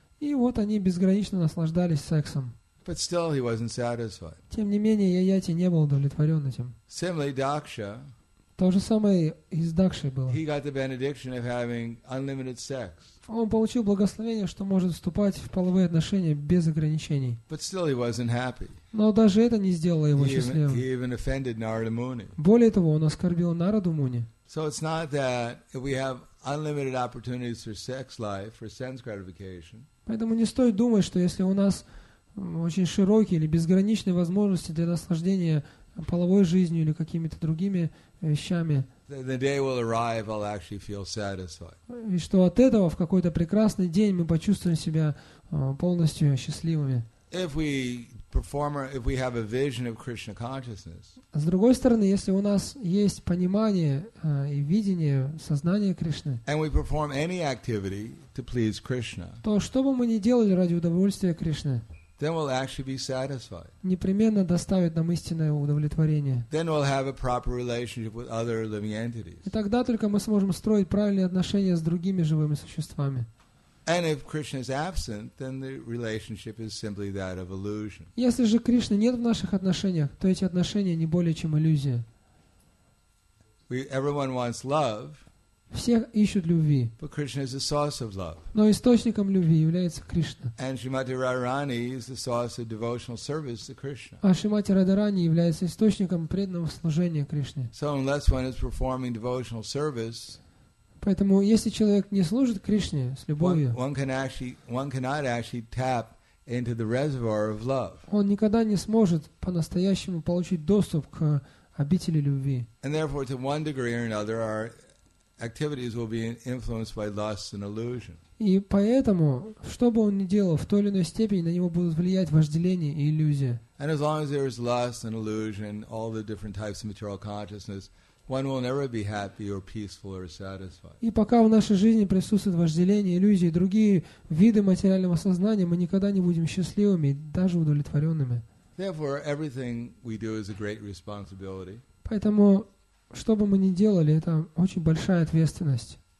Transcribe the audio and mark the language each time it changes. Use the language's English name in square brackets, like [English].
[Russian] И вот они безгранично наслаждались сексом. [English] But still, he wasn't satisfied. [Russian] Тем не менее, Яяти не был удовлетворен этим. [English] Similarly, Daksha. [Russian] То же самое и с Дакшей было. [English] He got the benediction of having unlimited sex. [Russian] Он получил благословение, что может вступать в половые отношения без ограничений. [English] But still he wasn't happy. [Russian] Но даже это не сделало его счастливым. [English] He even offended Narada Muni. [Russian] Более того, он оскорбил Нараду Муни. [English] So it's not that if we have unlimited opportunities for sex life, for sense gratification. [Russian] Поэтому не стоит думать, что если у нас очень широкие или безграничные возможности для наслаждения половой жизнью или какими-то другими вещами, [English] the day will arrive, I'll actually feel satisfied. [Russian] И что от этого в какой-то прекрасный день мы почувствуем себя полностью счастливыми. [English] if we have a vision of Krishna consciousness. [Russian] С другой стороны, если у нас есть понимание и видение сознания Кришны. [English] And we perform any activity to please Krishna. [Russian] То что бы мы ни делали ради удовольствия Кришны. [English] Then we'll actually be satisfied. [Russian] Непременно доставит нам истинное удовлетворение. [English] Then we'll have a proper relationship with other living entities. [Russian] И тогда только мы сможем строить правильные отношения с другими живыми существами. [English] And if Krishna is absent, then the relationship is simply that of illusion. [Russian] Если же Кришны нет в наших отношениях, то эти отношения не более чем иллюзия. [English] Everyone wants love. [Russian] Все ищут любви. [English] But Krishna is the source of love. [Russian] Но источником любви является Кришна. [English] And Shrimati Radharani is the source of devotional service to Krishna. [Russian] А Шримати Радхарани является источником преданного служения Кришне. [English] So unless one is performing devotional service. [Russian] Поэтому, если человек не служит Кришне с любовью, он никогда не сможет по-настоящему получить доступ к обители любви. [English] And therefore, to one degree or another, our activities will be influenced by lust and illusion. [Russian] И поэтому, что бы он ни делал, в той или иной степени на него будут влиять вожделение и иллюзия. [English] And as long as there is lust and illusion, all the different types of material consciousness. One will never be happy or peaceful or satisfied. [Russian] И пока в нашей жизни присутствует вожделение, иллюзии, другие виды материального сознания, мы никогда не будем счастливыми, даже удовлетворенными. [English] Therefore, everything we do is a great responsibility. [Russian] Поэтому, что бы мы ни делали, это очень большая ответственность.